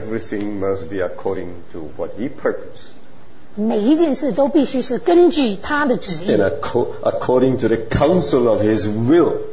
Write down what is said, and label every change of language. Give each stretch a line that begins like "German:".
English: Everything must be according to what He purposed.
Chinese: 每一件事都必须是根据他的旨意
English: And according to the counsel of His will